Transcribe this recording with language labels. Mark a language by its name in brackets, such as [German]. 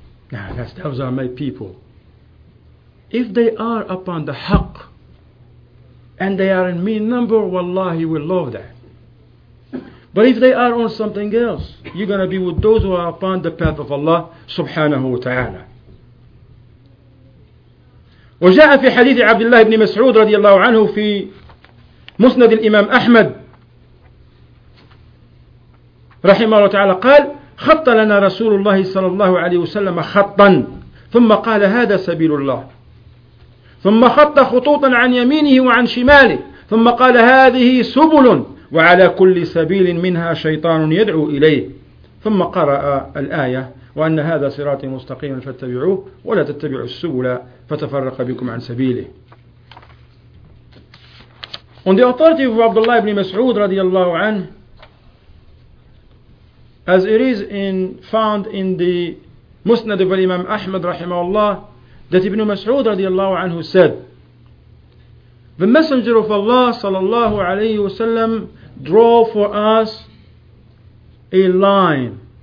[English] Nah, those are my people. If they are upon the haqq and they are in mean number, wallahi, he will love that. But if they are on something else, you're going to be with those who are upon the path of Allah subhanahu wa ta'ala. [Arabic] وجاء في حديث عبد الله بن مسعود رضي الله عنه في مسند الإمام أحمد رحمه الله تعالى قال خط لنا رسول الله صلى الله عليه وسلم خطا ثم قال هذا سبيل الله ثم خط خطوطا عن يمينه وعن شماله ثم قال هذه سبل وعلى كل سبيل منها شيطان يدعو إليه ثم قرأ الآية وأن هذا صراطي مستقيما فاتبعوه ولا تتبعوا السبل فتفرق بكم عن سبيله. [English] On the authority of Abdullah ibn Mas'ud [Arabic] رضي الله عنه, [English] as it is found in the Musnad of Imam Ahmad [Arabic] رحمه الله, [English] that Ibn Mas'ud radiallahu anhu said, the Messenger of Allah sallallahu alayhi wa sallam draw for us a line.